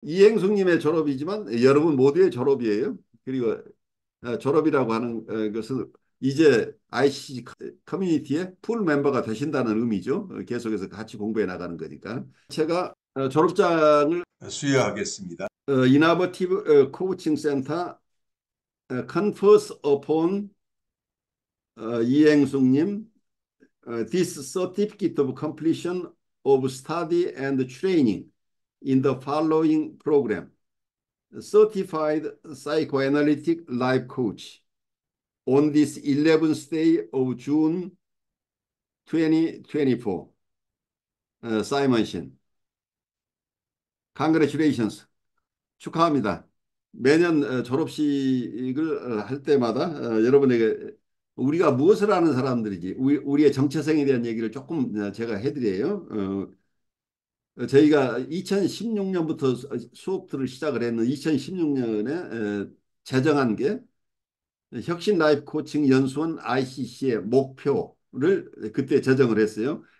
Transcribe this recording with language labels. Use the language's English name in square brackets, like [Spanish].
[Korean] 이행숙님의 졸업이지만 여러분 모두의 졸업이에요. 그리고 졸업이라고 하는 것은 이제 ICC 커뮤니티의 풀 멤버가 되신다는 의미죠. 계속해서 같이 공부해 나가는 거니까. 제가 졸업장을 수여하겠습니다. [English] Innovative Coaching Center confers upon 이행숙님 this certificate of completion of study and training in the following program. Certified psychoanalytic life coach. On this 11th day of June 2024, Simon Shin. Congratulations. [Korean] 축하합니다. 매년 졸업식을 할 때마다 여러분에게 우리가 무엇을 하는 사람들이지, 우리의 정체성에 대한 얘기를 조금 제가 해드려요. 저희가 2016년부터 수업들을 시작을 했는 2016년에 제정한 게 혁신 라이프 코칭 연수원 ICC의 목표를 그때 제정을 했어요.